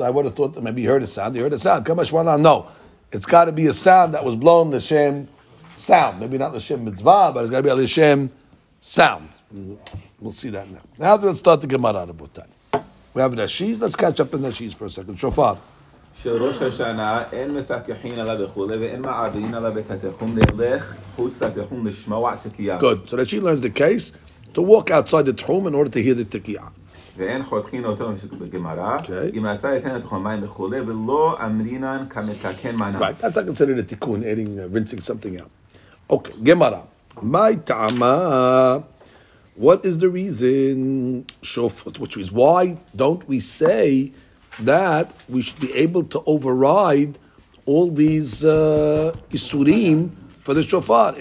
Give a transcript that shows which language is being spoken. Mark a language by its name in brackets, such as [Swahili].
[English] I would have thought that maybe he heard a sound. He heard a sound. Kamashwana, no. It's got to be a sound that was blown, l'shem sound. Maybe not l'shem mitzvah, but it's got to be a l'shem sound. We'll see that now. Now let's start the Gemara. We have the Nashis. Let's catch up in the Nashis for a second. Shofar. [Hebrew] של ראש השנה אין מפקחין עליו וכו', ואין מעבין עליו את התחום ללך חוץ לתחום לשמוע תקיעה. [English] Good. So that she learned the case to walk outside the tchum in order to hear the תקיעה. [Hebrew] ואין חותכין אותו משקו בגמרא. [English] Okay. [Hebrew] אם עשה יתן את תחום מים וכו', ולא אמרינן כמתקן מנה. [English] Right. That's not considered a תיקון, adding, rinsing something out. Okay. גמרא. [Aramaic] My tama. [English] What is the reason, which is why don't we say that we should be able to override all these isurim for the shofar?